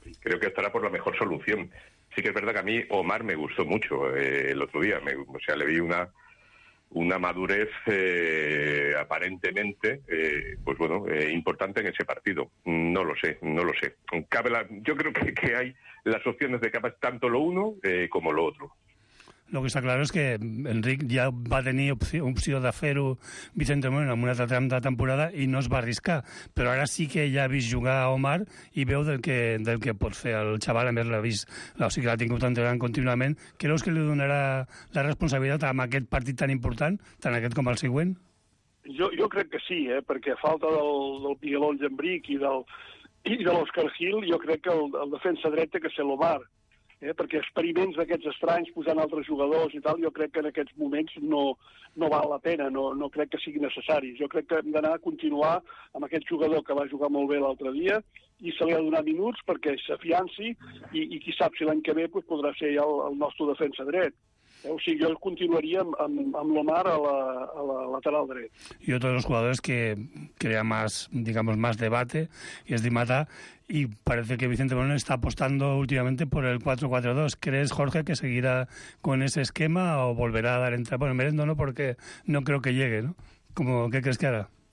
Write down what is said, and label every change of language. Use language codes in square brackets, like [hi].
[es] Creo que estará por la mejor solución. Sí que es verdad que a mí Omar me gustó mucho el otro día. Le vi una madurez aparentemente, importante en ese partido. No lo sé. Yo creo que hay las opciones de capas tanto lo uno como lo otro. Lo que está claro es que [ca] Enric ja va tenir opció de fer-ho Vicente Moreno en una altra tram de temporada i no es va arriscar, però ara sí que ja ha vist jugar a Omar i veu del que pot fer el xaval, a més l'ha vist, o sigui que l'ha tingut entrenant contínuament. Creus que li donarà la responsabilitat amb aquest partit tan important, tant aquest com el següent? Jo crec que sí, perquè a falta del Miguel Ángel Enric i de l'Oscar Gil, jo crec que el defensa dret ha de ser l'Omar. Perquè experiments d'aquests estranys posant altres jugadors i tal, jo crec que en aquests moments no val la pena, no crec que sigui necessari. Jo crec que hem d'anar a continuar amb aquest jugador que va jugar molt bé l'altre dia i se li ha de donar minuts perquè s'afianci i qui sap si l'any que ve pues, podrà ser ja el nostre defensa dret. O sigui, jo continuaria amb l'Omar a la lateral dret. [es] I otros dos jugadores que crea más, digamos, más debate y es Dimata, y parece que Vicente Moreno está apostando últimamente por el 4-4-2. ¿Crees, Jorge, que seguirá con ese esquema o volverá a dar entrada? Bueno, Merendo no, porque no creo que llegue, ¿no? ¿Cómo, qué crees que hará?